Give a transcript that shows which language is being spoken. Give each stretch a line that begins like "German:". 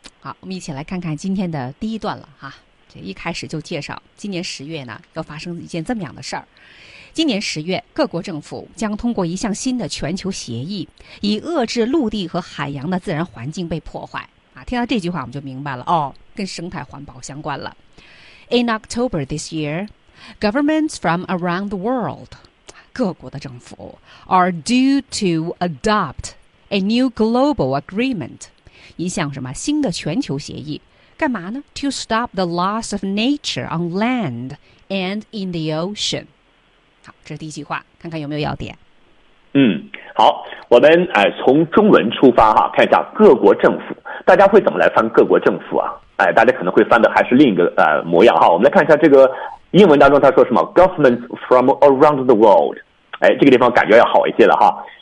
Chinese: 好，我们一起来看看今天的第一段了哈、啊。这一开始就介绍，今年十月呢，要发生一件这么样的事儿。今年十月，各国政府将通过一项新的全球协议，以遏制陆地和海洋的自然环境被破坏。啊，听到这句话我们就明白了，哦，跟生态环保相关了。
English: In October this year, governments from around the world,
Chinese: 各国的政府
English: are due to adopt a new global agreement,
Chinese: 一项什么新的全球协议，干嘛呢
English: ？To stop the loss of nature on land and in the ocean.
Chinese: 好，这是第一句话，看看有没有要点。好，我们从中文出发哈，看一下各国政府，大家会怎么来翻各国政府啊？大家可能会翻的还是另一个模样哈。我们来看一下这个英文当中他说什么 ，
English: governments from around the world，
Chinese: 这个地方感觉要好一些了哈。